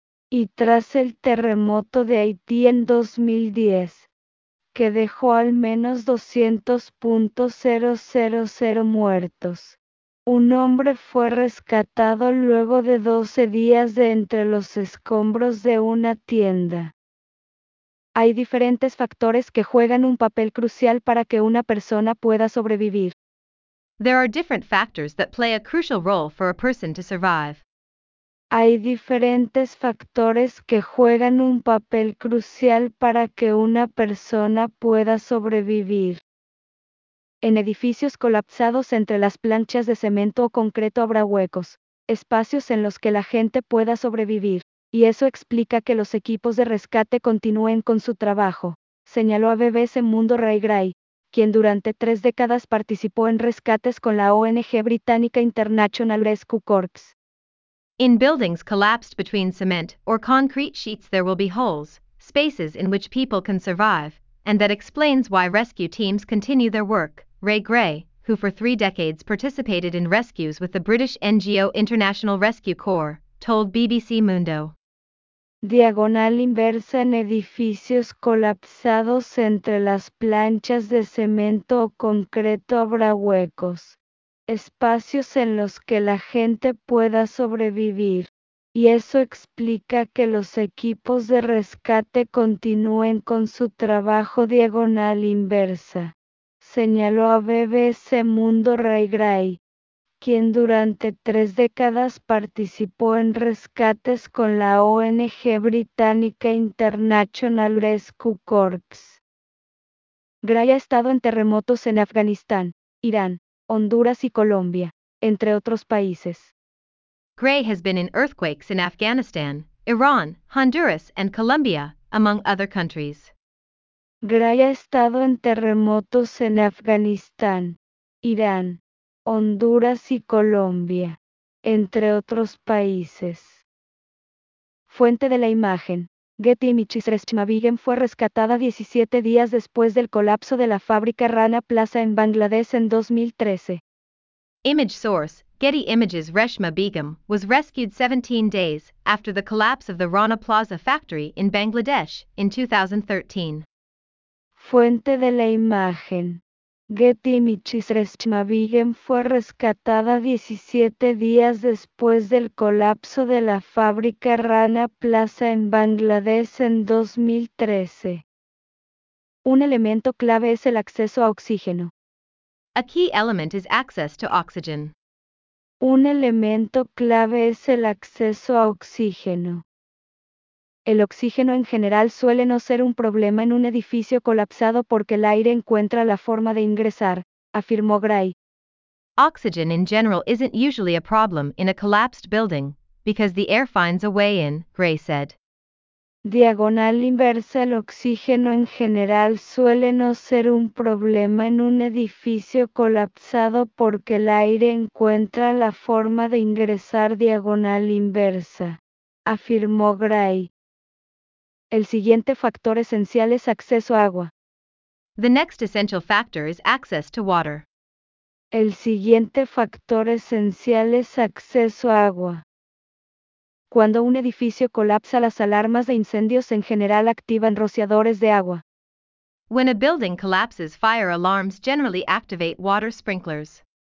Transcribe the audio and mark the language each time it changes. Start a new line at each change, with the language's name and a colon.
Spanish: Y tras el terremoto de Haití en 2010, que dejó al menos 200,000 muertos, un hombre fue rescatado luego de 12 días de entre los escombros de una tienda. Hay diferentes factores que juegan un papel crucial para que una persona pueda sobrevivir.
English: There are different factors that play a crucial role for a person to survive.
Spanish: Hay diferentes factores que juegan un papel crucial para que una persona pueda sobrevivir. En edificios colapsados entre las planchas de cemento o concreto habrá huecos, espacios en los que la gente pueda sobrevivir. Y eso explica que los equipos de rescate continúen con su trabajo, señaló a BBC Mundo Ray Gray, quien durante 3 décadas participó en rescates con la ONG británica International Rescue Corps.
English: In buildings collapsed between cement or concrete sheets there will be holes, spaces in which people can survive, and that explains why rescue teams continue their work, Ray Gray, who for 3 decades participated in rescues with the British NGO International Rescue Corps, told BBC Mundo.
Spanish: Diagonal inversa en edificios colapsados entre las planchas de cemento o concreto habrá huecos, espacios en los que la gente pueda sobrevivir, y eso explica que los equipos de rescate continúen con su trabajo diagonal inversa, señaló a BBC Mundo Ray Gray, quien durante 3 décadas participó en rescates con la ONG británica International Rescue Corps. Gray ha estado en terremotos en Afganistán, Irán, Honduras y Colombia, entre otros países.
English: Gray has been in earthquakes in Afghanistan, Iran, Honduras and Colombia, among other countries.
Spanish: Gray ha estado en terremotos en Afganistán, Irán, Honduras y Colombia, entre otros países. Fuente de la imagen, Getty Images. Reshma Begum fue rescatada 17 días después del colapso de la fábrica Rana Plaza en Bangladesh en 2013.
English: Image source, Getty Images. Reshma Begum was rescued 17 days after the collapse of the Rana Plaza factory in Bangladesh in 2013.
Spanish: Fuente de la imagen, Getty Images. Reshma Begum fue rescatada 17 días después del colapso de la fábrica Rana Plaza en Bangladesh en 2013. Un elemento clave es el acceso a oxígeno.
English: A key element is access to oxygen.
Spanish: Un elemento clave es el acceso a oxígeno. El oxígeno en general suele no ser un problema en un edificio colapsado porque el aire encuentra la forma de ingresar, afirmó Gray.
English: Oxygen in general isn't usually a problem in a collapsed building, because the air finds a way in, Gray said.
Spanish: Diagonal inversa, el oxígeno en general suele no ser un problema en un edificio colapsado porque el aire encuentra la forma de ingresar diagonal inversa, afirmó Gray. El siguiente factor esencial es acceso a agua.
English: The next essential factor is access to water.
Spanish: El siguiente factor esencial es acceso a agua. Cuando un edificio colapsa, las alarmas de incendios en general activan rociadores de agua.
English: When a building collapses, fire alarms generally activate water sprinklers.